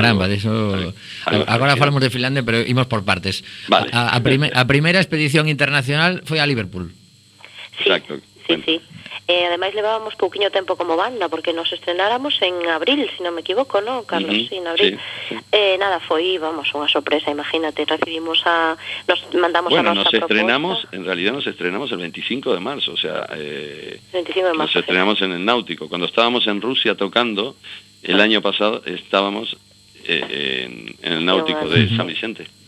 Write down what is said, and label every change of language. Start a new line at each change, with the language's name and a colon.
Spanish: Caramba, algo, de eso. Ahora hablamos de Finlandia, pero íbamos por partes. Vale. A primera expedición internacional fue a Liverpool. Sí. Exacto. Sí.
Galician: Ademais, levábamos pouquiño tempo como banda, porque nos estrenáramos en abril, se non me equivoco, ¿no, Carlos?
Spanish: Uh-huh. Sí, en abril. Sí, sí.
Galician: Nada, foi, vamos, unha sorpresa, imagínate. Nos mandamos a nosa
Spanish: propuesta. Estrenamos, en realidad nos estrenamos el 25 de marzo, o sea, 25 de marzo, nos estrenamos, sí, en el Náutico. Cuando estábamos en Rusia tocando, el año pasado estábamos en el Náutico de San Vicente.